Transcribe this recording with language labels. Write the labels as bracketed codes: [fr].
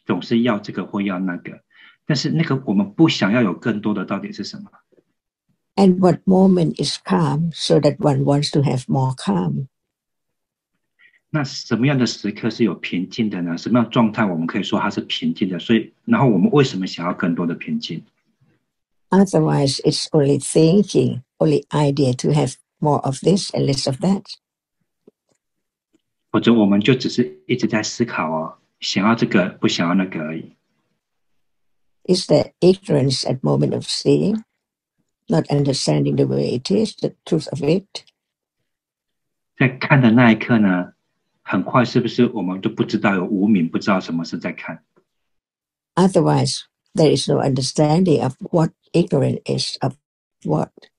[zh] 对，我们就像累积的习性就会总是要这个或要那个。但是那个我们不想要有更多的到底是什么？ [en] And what moment is calm so that one wants to have more calm? [zh] 那什么样的时刻是有平静的呢？什么样的状态我们可以说它是平静的？所以然后我们为什么想要更多的平静？ [en] Otherwise, it's only thinking, only idea to have more of this and less of that. [zh] 或者我们就只是一直在思考哦， 想要这个不想要那个而已。 [en] Is there ignorance at moment of seeing, not understanding the way it is, the truth of it? [zh] 在看的那一刻呢， 很快是不是我们都不知道有无明，不知道什么是在看？ [en] Otherwise, there is no understanding of what ignorance is of what.